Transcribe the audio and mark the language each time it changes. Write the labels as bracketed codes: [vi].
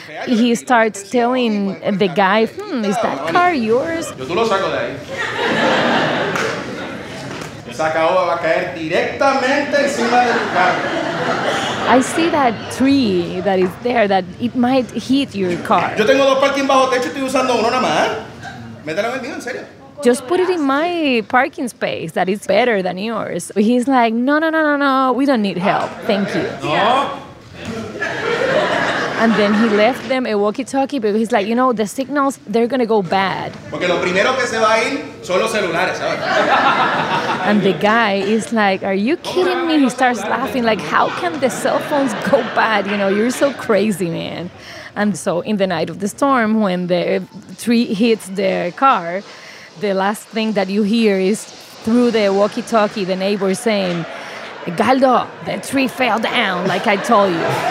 [en] He starts telling the guy, is that car yours? [es] Yo tú lo saco de ahí. Esa caoba va a caer directamente encima de tu carro. [en] I see that tree that is there, that it might hit your car. [es] Yo tengo dos parking bajo techo y estoy usando uno nada más. Métela en el mío, en serio. [en] Just put it in my parking space that is better than yours. He's like, no, no, no, no, no, we don't need help. Thank you. No. And then he left them a walkie-talkie because he's like, you know, the signals, they're going to go bad. [es] Porque lo primero que se va a ir son los celulares, ¿sabes? [en] And the guy is like, are you kidding me? He starts laughing like, how can the cell phones go bad? You know, you're so crazy, man. And so in the night of the storm, when the tree hits the car, the last thing that you hear is through the walkie-talkie, the neighbor saying, Galdo, the tree fell down, like I told you.